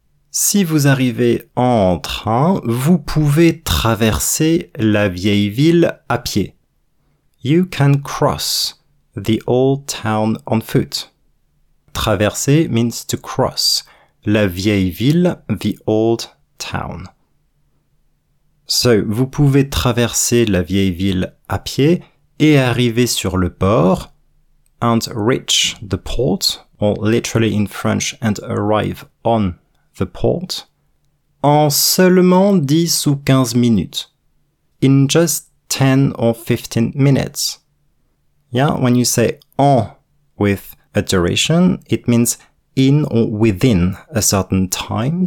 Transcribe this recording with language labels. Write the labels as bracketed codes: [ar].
[fr] Si vous arrivez en train, vous pouvez traverser la vieille ville à pied. [en] You can cross the old town on foot. Traverser means to cross. [fr] La vieille ville, [en] the old town. [fr] So, vous pouvez traverser la vieille ville à pied et arriver sur le port [en] and reach the port, or literally in French, and arrive on the port, [fr] en seulement 10 ou 15 minutes. [en] In just 10 or 15 minutes. Yeah, when you say en with a duration, it means in or within a certain time.